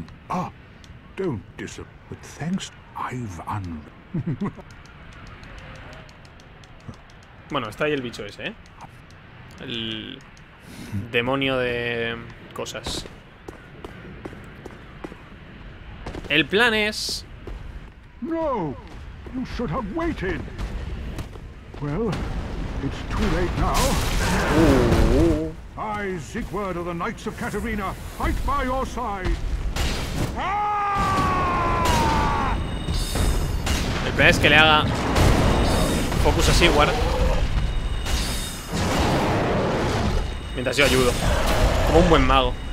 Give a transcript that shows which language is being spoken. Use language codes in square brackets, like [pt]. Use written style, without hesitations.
[en] Ah, don't disappoint. Thanks, Ivan. [es] Bueno, está ahí el bicho ese, El demonio de cosas. El plan es. [en] No, you should have waited. Well, it's too late now. I, Sigward of the Knights of Katarina, fight by your side. [es] El plan es que le haga focus a Sigward mientras yo ayudo, como un buen mago.